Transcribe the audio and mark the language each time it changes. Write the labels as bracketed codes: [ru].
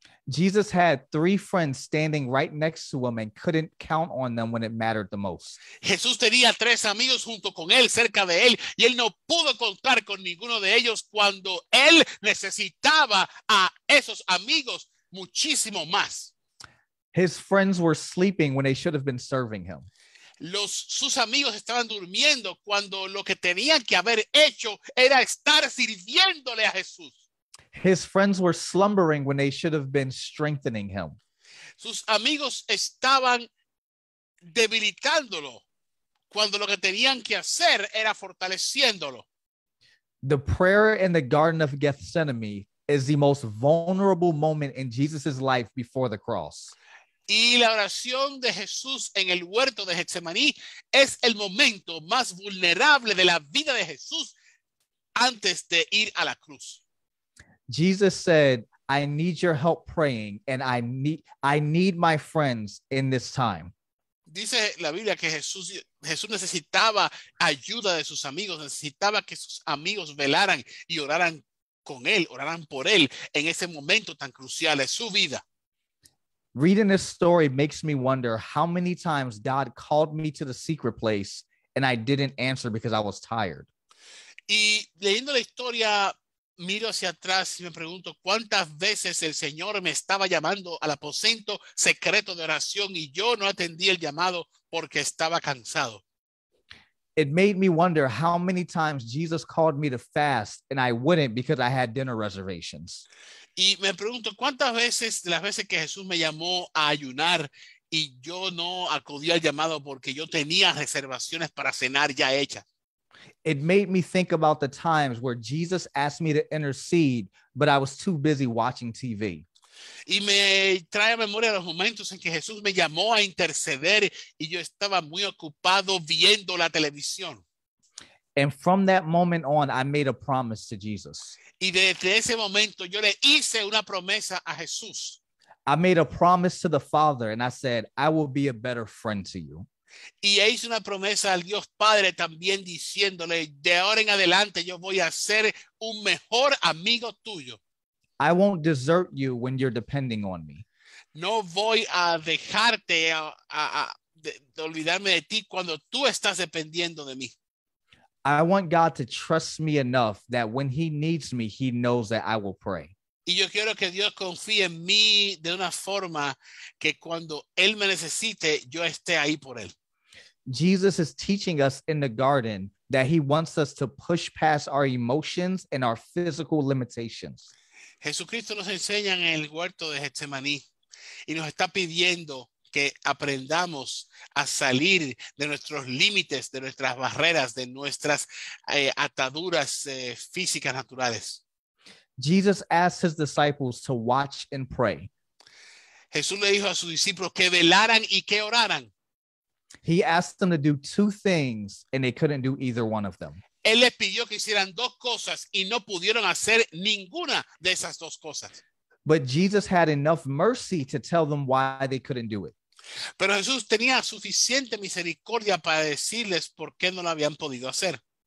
[en] Jesus had three friends standing right next to him and couldn't count on them when it mattered the most. [es] Jesús tenía tres amigos junto con él, cerca de él, y él no pudo contar con ninguno de ellos cuando él necesitaba a esos amigos muchísimo más. [en] His friends were sleeping when they should have been serving him. [es] Sus amigos estaban durmiendo cuando lo que tenían que haber hecho era estar sirviéndole a Jesús. [en] His friends were slumbering when they should have been strengthening him. [es] Sus amigos estaban debilitándolo cuando lo que tenían que hacer era fortaleciéndolo. [en] The prayer in the Garden of Gethsemane is the most vulnerable moment in Jesus' life before the cross. [es] Y la oración de Jesús en el huerto de Getsemaní es el momento más vulnerable de la vida de Jesús antes de ir a la cruz. [en] Jesus said, I need your help praying, and I need my friends in this time. [es] Dice la Biblia que Jesús necesitaba ayuda de sus amigos, necesitaba que sus amigos velaran y oraran con él, oraran por él en ese momento tan crucial de su vida. [en] Reading this story makes me wonder how many times God called me to the secret place and I didn't answer because I was tired. [es] Y leyendo la historia, miro hacia atrás y me pregunto cuántas veces el Señor me estaba llamando al aposento secreto de oración y yo no atendí el llamado porque estaba cansado. [en] It made me wonder how many times Jesus called me to fast and I wouldn't because I had dinner reservations. [es] Y me pregunto cuántas veces, las veces que Jesús me llamó a ayunar y yo no acudí al llamado porque yo tenía reservaciones para cenar ya hechas. [en] It made me think about the times where Jesus asked me to intercede, but I was too busy watching TV. [es] Y me trae a memoria los momentos en que Jesús me llamó a interceder y yo estaba muy ocupado viendo la televisión. [en] And from that moment on, I made a promise to Jesus. [es] Y desde ese momento, yo le hice una promesa a Jesús. [en] I made a promise to the Father, and I said, I will be a better friend to you. [es] Y hice una promesa al Dios Padre también diciéndole, de ahora en adelante, yo voy a ser un mejor amigo tuyo. [en] I won't desert you when you're depending on me. [es] No voy a dejarte, a olvidarme de ti cuando tú estás dependiendo de mí. [en] I want God to trust me enough that when he needs me, he knows that I will pray. [es] Y yo quiero que Dios confíe en mí de una forma que cuando él me necesite, yo esté ahí por él. [en] Jesus is teaching us in the garden that he wants us to push past our emotions and our physical limitations. [es] Jesucristo nos enseña en el huerto de Getsemaní y nos está pidiendo que aprendamos a salir de nuestros límites, de nuestras barreras, de nuestras ataduras físicas naturales. [en] Jesus asked his disciples to watch and pray. [es] Jesús le dijo a sus discípulos que velaran y que oraran. [en] He asked them to do two things and they couldn't do either one of them. [es] Él les pidió que hicieran dos cosas y no pudieron hacer ninguna de esas dos cosas. [en] But Jesus had enough mercy to tell them why they couldn't do it. [es] Pero Jesús tenía suficiente misericordia para decirles por qué no lo habían podido hacer.